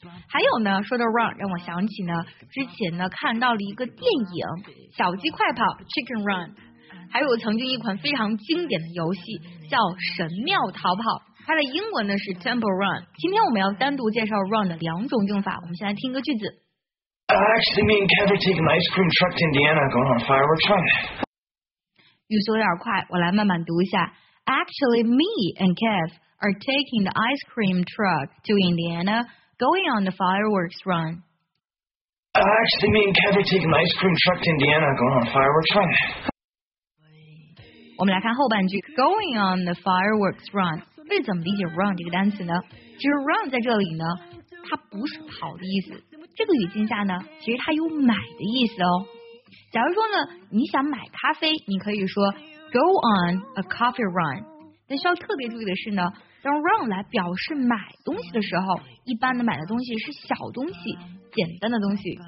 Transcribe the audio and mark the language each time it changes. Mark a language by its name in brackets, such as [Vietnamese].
[Chinese] 还有呢说的 run 让我想起呢之前呢看到了一个电影小鸡快跑 Chicken Run， 还有曾经一款非常经典的游戏叫神庙逃跑，它的英文呢是 Temple Run。今天我们要单独介绍 run 的两种用法，我们先来听个句子。 [English] I actually mean Kevin taking an ice cream truck to Indiana going on fireworks run。 [Chinese] 语速有点快，我来慢慢读一下。 [English] Actually, me and Kev are taking the ice cream truck to Indiana, going on the fireworks run. Actually, me and Kev are taking the ice cream truck to Indiana, going on a fireworks run. [Chinese] 我们来看后半句 , [English] going on the fireworks run. [Chinese] 为什么理解 run 这个单词呢？其实 run 在这里呢，它不是跑的意思。这个语境下呢，其实它有买的意思哦。假如说呢，你想买咖啡，你可以说 [English] Go on a coffee run. [Chinese] 但需要特别注意的是呢，当 run 来表示买东西的时候，一般的买的东西是小东西，简单的东西。